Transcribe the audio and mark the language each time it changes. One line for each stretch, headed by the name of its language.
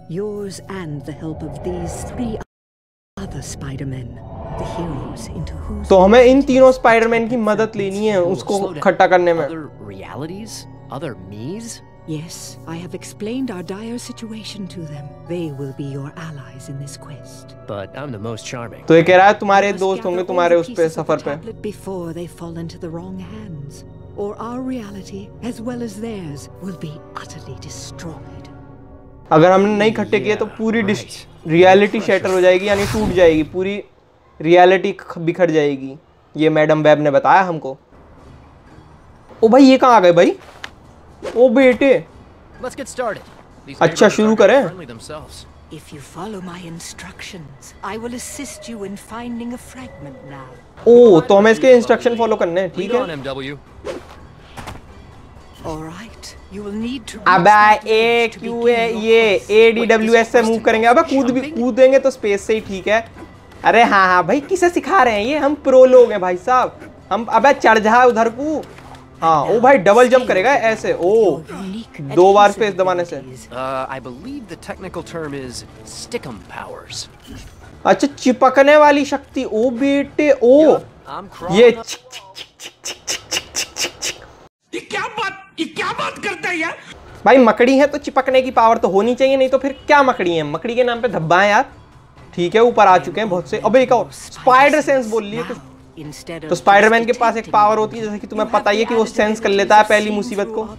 English: Yours and the help of these three other Spider-Men. The heroes into whose...
Hindi: तो हमें इन तीनों Spiderman की मदद लेनी है उसको खट्टा करने में।
English: Other realities? Other me's? Yes, I have explained our dire situation to them. They will be your allies in this quest. But I'm the most charming.
Hindi: तो ये कह रहा है तुम्हारे दोस्त होंगे तुम्हारे उस पे सफर पे।
English: Before they fall into the wrong hands, or our reality as well as theirs will be utterly destroyed.
Hindi: अगर हमने नहीं इकट्ठे किए तो पूरी रियलिटी शैटर हो जाएगी, यानी टूट जाएगी, पूरी रियलिटी बिखर जाएगी। ये मैडम वेब ने बताया हमको। ओ भाई ये कहाँ आ गए भाई? ओ बेटे
English: Let's get started.
Hindi: अच्छा शुरू करें।
English: If you follow my instructions, I will assist you in finding a fragment now.
Hindi: ओ तो हमें इसके इंस्ट्रक्शन फॉलो करने हैं, ठीक है?
English: All right, you will need to
Hindi: अबे ए क्यू है ये, ए डी डब्ल्यू एस से मूव करेंगे। अबे कूद भी कूदेंगे तो स्पेस से ही, ठीक है? अरे हाँ हाँ भाई किसे सिखा रहे हैं ये, हम प्रो लोग हैं भाई साहब हम। अबे चढ़ जा उधर कू। हाँ ओ भाई डबल जंप करेगा ऐसे ओ दो बार स्पेस दबाने से
English: I believe the technical term is stick'em powers.
Hindi: अच्छा चिपकने वाली शक्ति ओ बेटे ओ ये क्या बात करता है यार भाई मकड़ी है तो चिपकने की पावर तो होनी चाहिए नहीं तो फिर क्या मकड़ी है मकड़ी के नाम पे धब्बा है यार ठीक है ऊपर आ चुके हैं बहुत से अबे एक और स्पाइडर सेंस बोल लिए तो स्पाइडरमैन के पास एक पावर होती है जैसे कि तुम्हें पता ही है कि वो सेंस कर लेता है पहली मुसीबत को